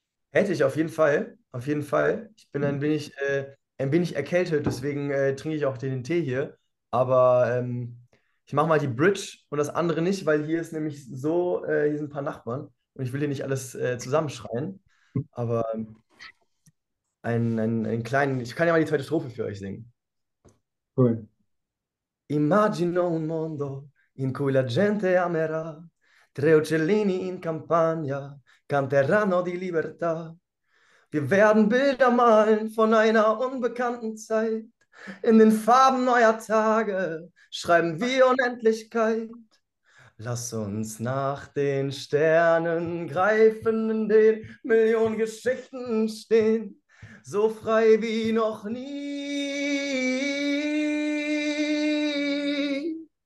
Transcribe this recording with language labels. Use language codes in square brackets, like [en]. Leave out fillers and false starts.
[de] Hätte ich auf jeden Fall. Auf jeden Fall. Ich bin ein wenig erkältet, deswegen trinke ich auch den Tee hier. Aber ich mache mal die Bridge und das andere nicht, weil hier ist nämlich so, hier sind ein paar Nachbarn und ich will hier nicht alles zusammenschreien. Aber einen kleinen, ich kann ja mal die zweite Strophe für euch singen. Cool. [it] Immagino un mondo in cui la gente amerà, tre uccellini in campagna canteranno di libertà. [de] Wir werden Bilder malen von einer unbekannten Zeit. In den Farben neuer Tage schreiben wir Unendlichkeit. Lass uns nach den Sternen greifen, in den Millionen Geschichten stehen, so frei wie noch nie.